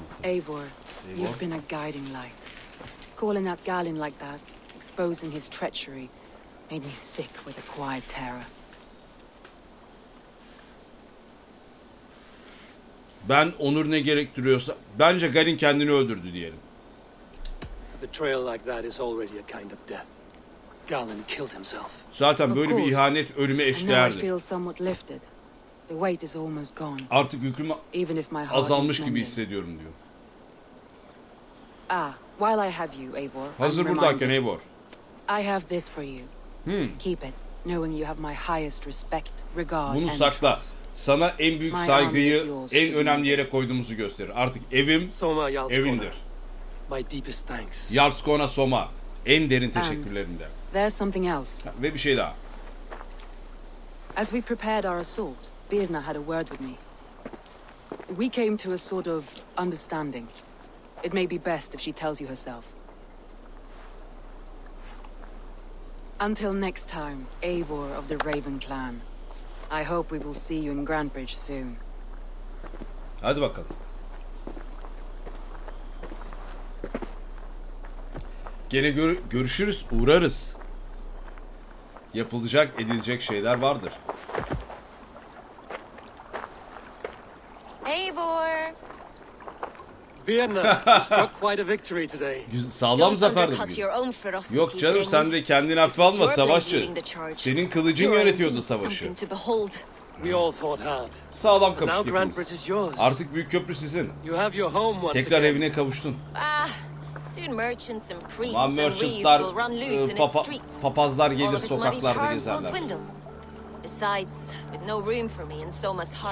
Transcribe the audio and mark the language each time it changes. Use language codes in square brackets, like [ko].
[en] Eivor, you've been a guiding light. Calling out Galen like that, exposing his treachery, made me sick with acquired terror. [tr] Ben Onur ne gerektiriyorsa bence Galen kendini öldürdü diyelim. [en] Betrayal like that is already a kind of death. Galen killed himself. [tr] Zaten böyle bir ihanet ölüme eşdeğerdi. [en] I feel somewhat lifted. The weight is almost gone. [tr] Artık yüküm azalmış gibi hissediyorum diyor. [en] Ah, while I have you, Eivor. [tr] Hazır buradayken Eivor. [en] I have this for you. Keep it. Knowing you have my highest respect, regard. [tr] Bunu sakla. Sana en büyük saygıyı en önemli yere koyduğumuzu gösterir. Artık evim Soma Yalskona. Evindir. [en] My deepest thanks. Yalskona Soma. [tr] En derin teşekkürlerimde. [en] There's something else. [tr] Ve bir şey daha. [en] As we prepared our assault, Birna had a word with me. We came to a sort of understanding. It may be best if she tells you herself. Until next time, Eivor of the Raven Clan. I hope we will see you in Grandbridge soon. [tr] Hadi bakalım. Gene görüşürüz, uğrarız. Yapılacak, edilecek şeyler vardır. Eivor. [en] Birna, you've got quite a victory today. [tr] Sağlam zaferdi bugün. Yok canım, sen de kendini hafife alma savaşçı. Senin kılıcın yönetiyordu savaşı. [en] We all thought hard. [tr] Sağlam kavuştunuz. Artık büyük köprü sizin. Tekrar evine kavuştun. [en] Soon merchants and priests and weavers will run loose in its streets. [tr] Papazlar gelir sokaklarda gezerler. [en] Besides, with no room for me in Soma's heart.